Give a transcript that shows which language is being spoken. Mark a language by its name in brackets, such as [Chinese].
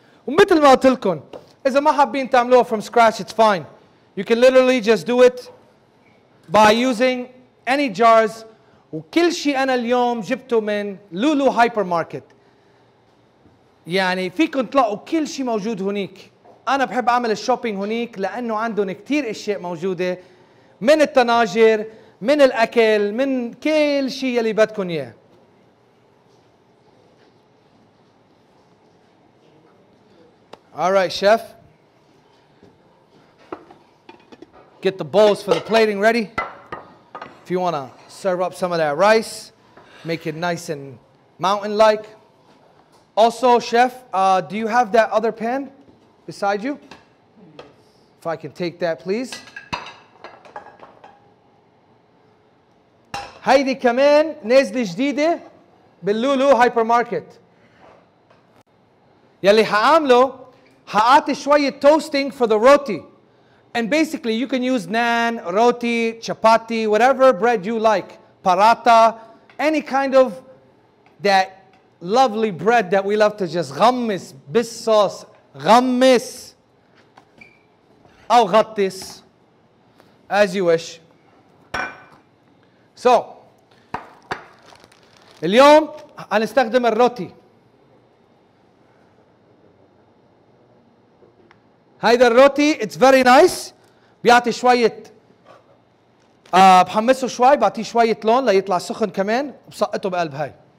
[Arabic] ومثل ما قلت لكم, إذا ما حابين تعملوها [English] from scratch, it's fine. You can literally just do it by using any jars. [Arabic] وكل شيء أنا اليوم جبته من لولو hypermarket. يعني فيكم تلاقوا كل شيء موجود هناك. أنا بحب أعمل الشوبينج هناك لأنه عندهم كتير أشياء موجودة من التناجر, من الأكل, من كل شيء اللي بدكم إياه. [English] All right, chef. Get the bowls for the plating ready. If you want to serve up some of that rice, make it nice and mountain-like. Also, chef, do you have that other pan? Beside you? If I can take that, please. [Arabic] هيدي كمان نازلة جديدة باللولو هايبر ماركت. يلي هعمله هعطي شوية توستينج [English] for the roti. And basically you can use naan, roti, chapati, whatever bread you like. Paratha, any kind of that lovely bread that we love to just [Arabic] غمس بالصوص. غمس أو غطس. [English] As you wish. [Arabic] So اليوم هنستخدم الروتي. هيدا الروتي [English] it's very nice. [Arabic] بيعطي شوية بحمسه شوي بعطيه شوية لون ليطلع سخن كمان وبسقطه بقلب هاي.